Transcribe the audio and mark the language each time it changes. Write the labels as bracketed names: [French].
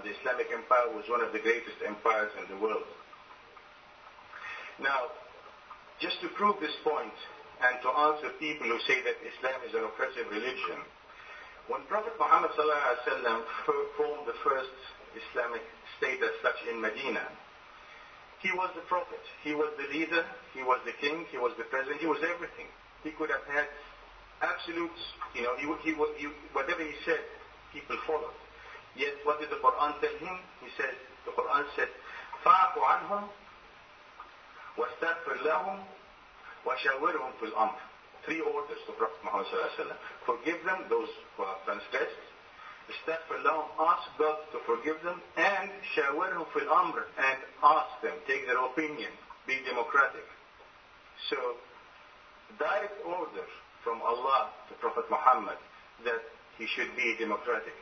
[English] The Islamic Empire was one of the greatest empires in the world. Now, just to prove this point, and to answer people who say that Islam is an oppressive religion, when Prophet Muhammad sallallahu alaihi wasallam formed the first Islamic state as such in Medina, he was the prophet, he was the leader, he was the king, he was the president, he was everything. He could have had absolute, you know, whatever he said, people followed. Yet, what did the Quran tell him? He said, the Quran said, [Arabic] فَعَفُ عَنْهُمْ وَاسْتَغْفِرْ لَهُمْ وَشَوِّرْهُمْ فِي الْأَمْرِ. [English] Three orders to Prophet Muhammad sallallahu alaihi wasallam. Forgive them, those who are transgressed. [Arabic] Istaghfir lahum, [English] ask God to forgive them, and [Arabic] shawarhum fil amr, [English] and ask them, take their opinion, be democratic. So, direct order from Allah to Prophet Muhammad that he should be democratic.